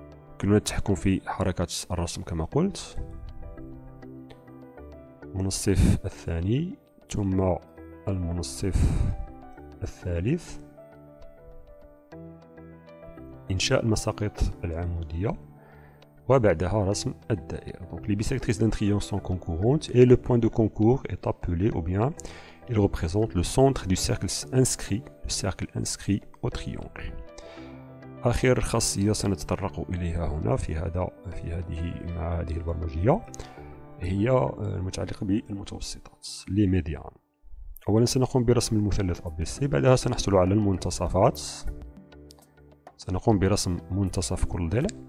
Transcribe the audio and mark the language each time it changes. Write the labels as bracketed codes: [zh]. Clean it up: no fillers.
[ar] يمكننا التحكم في حركة الرسم كما قلت، منصف الثاني ثم المنصف الثالث، إنشاء المساقط العمودية، وبعدها رسم الدائرة. [fr] Donc les bisectrices d'un triangle sont concurrentes et le point de concours est appelé ou bien il représente le centre du cercle inscrit au triangle. [ar] آخر خاصية سنتطرق إليها هنا في هذا في هذه مع هذه البرمجية هي المتعلقة بالمتوسطات لي ميديان. أولا سنقوم برسم المثلث ABC، بعدها سنحصل على المنتصفات، سنقوم برسم منتصف كل ضلع.